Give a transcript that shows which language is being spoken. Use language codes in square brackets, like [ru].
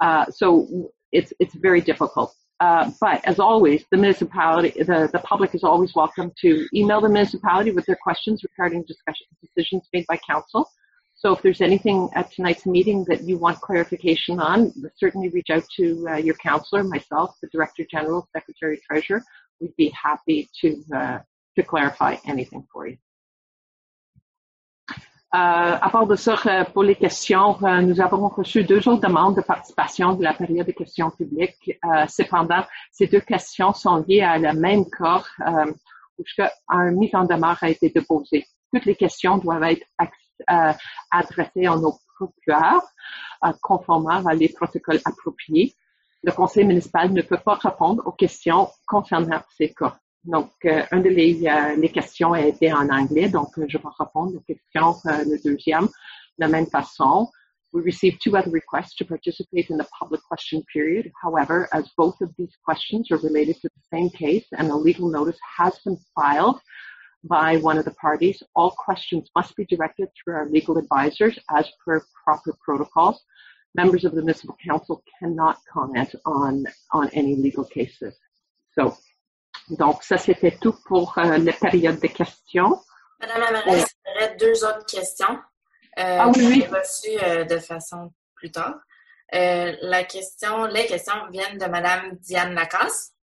[en] So it's very difficult. But as always, the municipality, the public is always welcome to email the municipality with their questions regarding discussions, decisions made by council. So if there's anything at tonight's meeting that you want clarification on, certainly reach out to your counselor, myself, the Director General, Secretary Treasurer. We'd be happy to clarify anything for you. [fr] À part de ça, pour les questions, nous avons reçu deux autres demandes de participation de la période de questions publiques. Cependant, ces deux questions sont liées à la même corps où un mise en demeure a été déposé. Toutes les questions doivent être adressées à nos procureurs, conformément à les protocoles appropriés. Le conseil municipal ne peut pas répondre aux questions concernant ces cas. Donc, une des les questions a été en anglais, donc je vais répondre aux questions, le deuxième, de la même façon. [en] We received two other requests to participate in the public question period. However, as both of these questions are related to the same case and a legal notice has been filed by one of the parties, all questions must be directed through our legal advisors as per proper protocols. Members of the municipal council cannot comment on any legal cases. [fr] So, donc ça c'était tout pour la période de questions. Madame Amaral, il y aurait deux autres questions que j'ai reçues de façon plus tard. Les questions viennent de Madame Diane Lacasse.